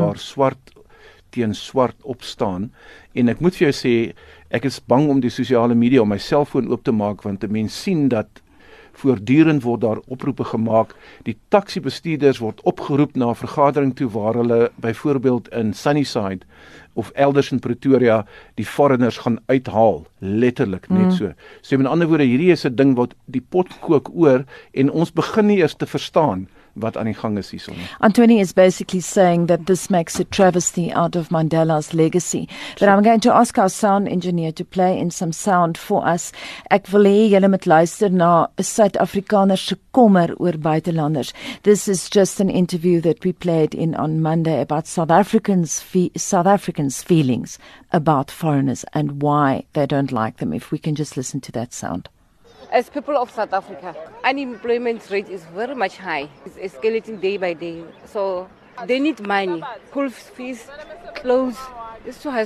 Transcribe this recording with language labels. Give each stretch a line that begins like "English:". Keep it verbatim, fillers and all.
Afrikaans: waar swart teen swart opstaan, en ek moet vir jou sê, ek is bang om die sosiale media, om my selfoon oop te maak, want die mens sien dat voortdurend word daar oproepe gemaak, die taxi-bestuurders word opgeroep na 'n vergadering toe, waar hulle byvoorbeeld in Sunnyside, of elders in Pretoria, die foreigners gaan uithaal, letterlik, net mm. so. So met ander woorde, hierdie is 'n ding wat die pot kook oor, en ons begin nie eers te verstaan, wat aan die gang is hierson.
English: Antony is basically saying that this makes a travesty out of Mandela's legacy. But I'm going to ask our sound engineer to play in some sound for us.
Afrikaans: Ek wil hê julle moet luister na 'n Suid-Afrikaner se kommer oor buitelanders.
English: This is just an interview that we played in on Monday about South Africans fe- South Africans' feelings about foreigners and why they don't like them. If we can just listen to that sound. As people of South Africa, unemployment rate is very much high. It's escalating day by day. So they need money, school fees, clothes. It's too high.